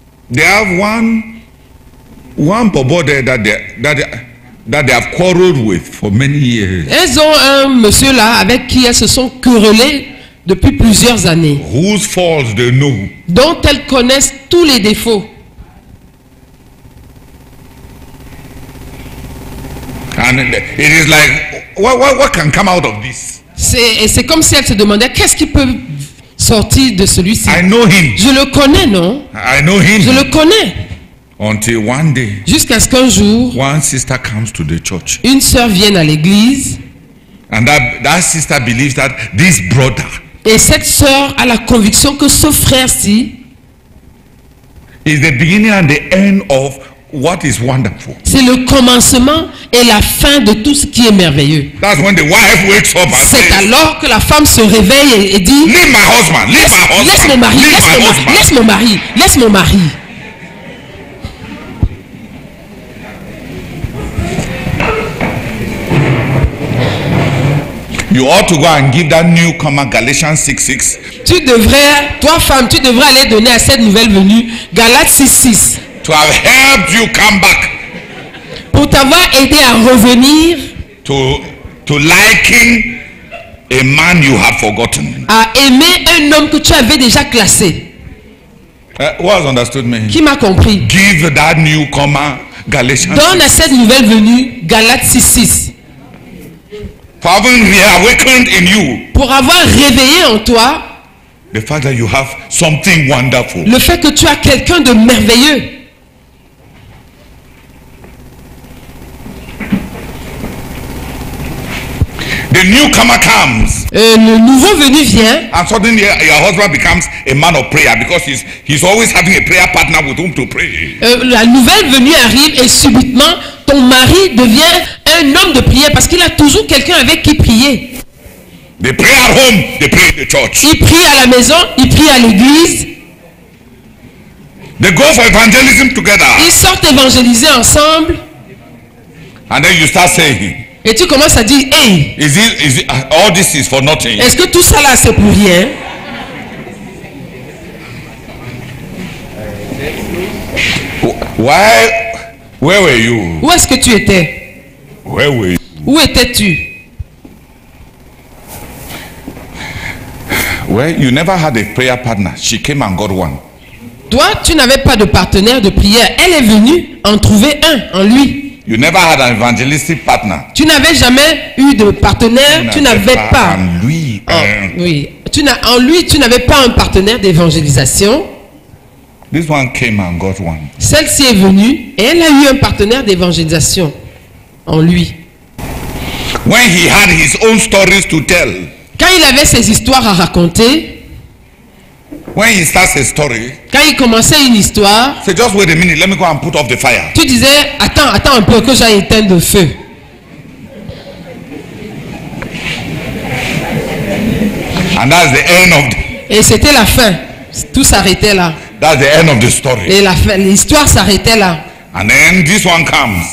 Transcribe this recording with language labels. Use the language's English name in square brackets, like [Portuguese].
[English] They have one bobo there that they have quarreled with for many years. [French] Elles ont un monsieur là avec qui elles se sont querellées depuis plusieurs années. [English] Whose faults they know. [French] Dont elles connaissent tous les défauts. [English] and it is like, what can come out of this? [French] C'est comme si elle se demandait qu'est-ce qui peut sortir de celui-ci. [English] I know him. [French] Je le connais, non? [English] I know him. [French] Je le connais. [English] Until one day. [French] Jusqu'à ce qu'un jour. [English] One sister comes to the church. [French] Une sœur vient à l'église. [English] And that sister believes that this brother. [French] Et cette sœur a la conviction que ce frère-ci. [English] Is the beginning and the end of what is wonderful. [French] C'est le commencement et la fin de tout ce qui est merveilleux. [English] That's when the wife wakes up and [French] c'est [English] says, [French] alors que la femme se réveille et dit. [English] Leave my husband. Leave my husband. [French] Laisse mon mari. [English] Leave [French] laisse, [English] my husband. [French] Laisse mon mari. Laisse mon mari. [English] You ought to go and give that newcomer Galatians 6:6. [French] Tu devrais, toi femme, tu devrais aller donner à cette nouvelle venue Galates 6:6. [English] To have helped you come back. [French] Pour t'avoir aidé à revenir. [English] To liking a man you have forgotten. [French] À aimer un homme que tu avais déjà classé. [English] Who has understood me? [French] Qui m'a compris? [English] Give that newcomer Galatians. [French] Donne 6:6. À cette nouvelle venue Galates 6:6. [English] For having reawakened in you, [French] pour avoir réveillé en toi, [English] the fact that you have something wonderful, [French] le fait que tu as quelqu'un de merveilleux. [English] The newcomer comes, [French] le nouveau venu vient, [English] and suddenly your husband becomes a man of prayer because he's always having a prayer partner with whom to pray. [French] La nouvelle venue arrive et subitement. Ton mari devient un homme de prière parce qu'il a toujours quelqu'un avec qui prier. [English] They pray at home, they pray in the church. [French] Il prie à la maison, il prie à l'église. [English] They go for evangelism together. [French] Ils sortent évangéliser ensemble. [English] And then you start saying, [French] et tu commences à dire, hey, [English] is it, all this is for nothing. [French] Est-ce que tout ça là c'est pour rien? [English] Why? Where were you? [French] Où est-ce que tu étais? [English] Where were you? [French] Où étais-tu? [English] Well, you never had a prayer partner. She came and got one. [French] Toi, tu n'avais pas de partenaire de prière. Elle est venue en trouver un en lui. [English] You never had an evangelistic partner. [French] Tu n'avais jamais eu de partenaire. Tu n'avais pas. En lui. Oui. Tu n'avais pas un partenaire d'évangélisation. [English] This one came and got one. [French] Celle-ci est venue et elle a eu un partenaire d'évangélisation en lui. [English] When he had his own stories to tell. [French] Quand il avait ses histoires à raconter. [English] When he starts a story. [French] Quand il commençait une histoire. [English] Say just wait a minute, let me go and put off the fire. [French] Tu disais attends un peu que j'aille éteindre le feu. [English] And that's the end of. [French] Et c'était la fin. Tout s'arrêtait là. [English] That's the end of the story. [French] Et l'histoire s'arrêtait là. [English] And then this one comes.